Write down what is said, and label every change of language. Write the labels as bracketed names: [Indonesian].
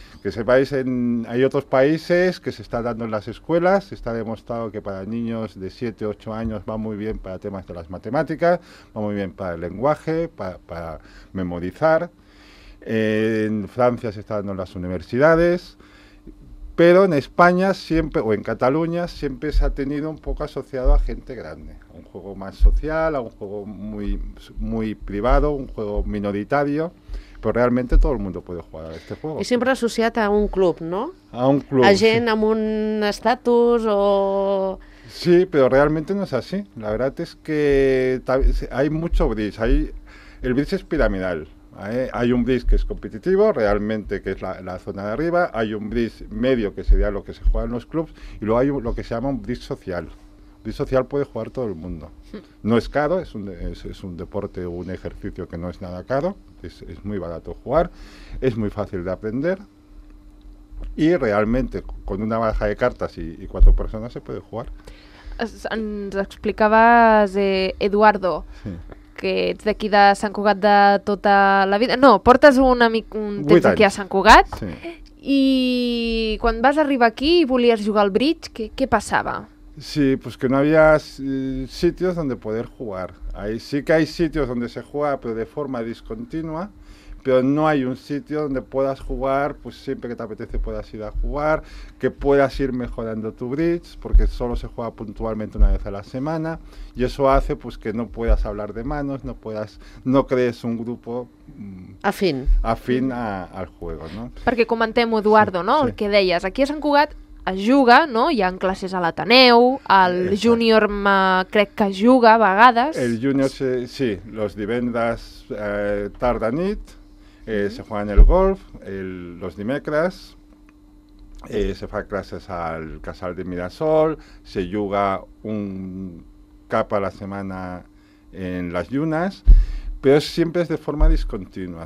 [Spanish] Que sepáis, hay otros países que se está dando en las escuelas, está demostrado que para niños de 7, 8 años va muy bien para temas de las matemáticas, va muy bien para el lenguaje, para memorizar. En Francia se está dando en las universidades, pero en España siempre, o en Cataluña, siempre se ha tenido un poco asociado a gente grande, a un juego más social, a un juego muy, muy privado, un juego minoritario. [Catalan] Però realment tot el món pot jugar a aquest joc. I sempre associat a un club, no? A un club. A gent sí. Amb un estatus o... Sí, però realment no és així. La veritat és que hi ha molt bridge. El bridge és piramidal. [Spanish] Hay un bridge que es competitivo, realmente, que es la zona de arriba. Hay un bridge medio, que sería lo que se juega en los clubs. Y luego hay lo que se llama un bridge social. Bridge social puede jugar todo el mundo. No es caro, es un deporte o un ejercicio que no es nada caro. Es muy barato jugar, es muy fácil de aprender y realmente con una baraja de cartas y cuatro personas se puede jugar. [Catalan] Ens explicaves, Eduardo, sí. Que ets d'aquí de Sant Cugat de tota la vida. No, portes un temps aquí a Sant Cugat. Sí. I quan vas arribar aquí i volies jugar al bridge, què passava? [Spanish] Sí, pues que no había sitios donde poder jugar. Sí que hay sitios donde se juega, pero de forma discontinua, pero no hay un sitio donde puedas jugar, pues siempre que te apetece puedas ir a jugar, que puedas ir mejorando tu bridge, porque solo se juega puntualmente una vez a la semana, y eso hace pues que no puedas hablar de manos, no crees un grupo afín al juego, ¿no? [Catalan] Perquè comentem, Eduardo, sí, ¿no? El sí. Que deies, aquí a Sant Cugat es juga, no? Hi ha classes a l'Ateneu, el Júnior crec que juga a vegades. El Júnior, sí, los divendres tarda nit, [Spanish] se juega en el golf, [Catalan] los dimecres, se fa classes al Casal de Mirasol, se juga un cap a la setmana en les llunes, però sempre és de forma discontinua.